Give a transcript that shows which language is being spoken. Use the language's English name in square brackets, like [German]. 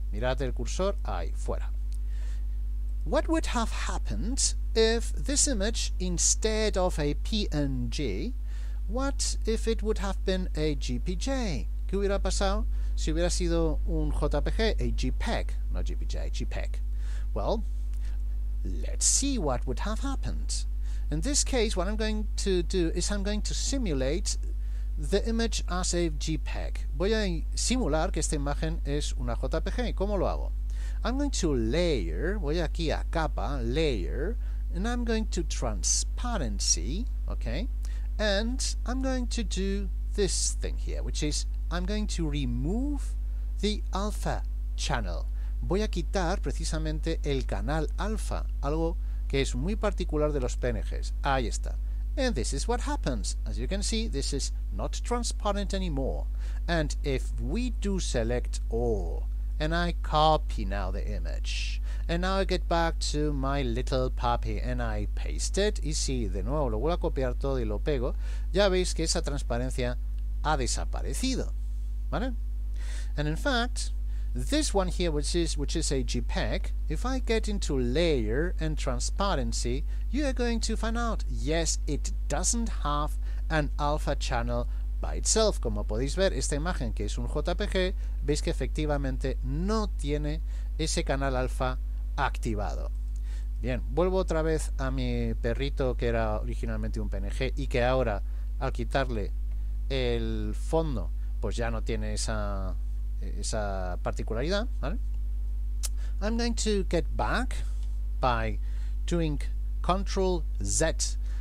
[Spanish] Mirad el cursor, ahí, fuera. [English] What would have happened if this image, instead of a PNG, what if it would have been a GPJ? [Spanish] ¿Qué hubiera pasado si hubiera sido un JPG, a JPEG? [English] No GPJ, JPEG. Well, let's see what would have happened. In this case, what I'm going to do is I'm going to simulate the image as a JPEG. [Spanish] Voy a simular que esta imagen es una JPG. ¿Cómo lo hago? [English] I'm going to layer, [Spanish] voy aquí a capa, [English] layer, and I'm going to transparency, okay? And I'm going to do this thing here, which is I'm going to remove the alpha channel. [Spanish] Voy a quitar precisamente el canal alfa, algo que es muy particular de los PNGs. Ahí está. [English] And this is what happens. As you can see, this is not transparent anymore. And if we do select all, and I copy now the image. And now I get back to my little puppy and I paste it. [Spanish] Y si de nuevo lo vuelvo a copiar todo y lo pego, ya veis que esa transparencia ha desaparecido, ¿vale? [English] And in fact, this one here, which is a JPEG, if I get into layer and transparency, you are going to find out, yes, it doesn't have an alpha channel by itself. [Spanish] Como podéis ver, esta imagen que es un JPG, veis que efectivamente no tiene ese canal alfa activado. Bien, vuelvo otra vez a mi perrito que era originalmente un PNG y que ahora, al quitarle el fondo, pues ya no tiene esa particularidad, ¿vale? [English] I'm going to get back by doing Control Z.